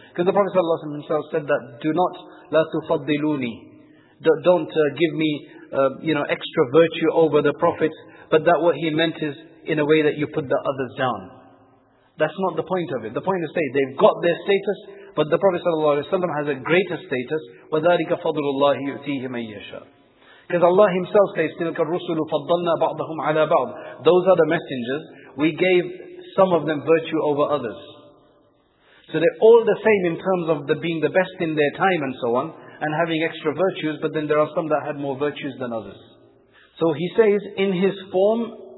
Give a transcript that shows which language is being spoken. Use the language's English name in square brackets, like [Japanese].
[English] Because the Prophet sallallahu alaihi wasallam himself said that, do not, la tufaddiluni, don't give me extra virtue over the Prophet. But that what he meant is, in a way that you put the others down. That's not the point of it. The point is to say, they've got their status, but the Prophet sallallahu alaihi wasallam has a greater status. [Arabic] وَذَٰلِكَ فَضُلُ اللَّهِ يُؤْتِيهِ مَنْ يَشَاءُ. [English] Because Allah Himself says, [Arabic] تِلْكَ الرُّسُلُ فَضَّلْنَا بَعْضَهُمْ عَلَىٰ بَعْضٍ. [English] Those are the messengers. We gave some of them virtue over others. So they're all the same in terms of the being the best in their time and so on, and having extra virtues, but then there are some that had more virtues than others. So he says, in his form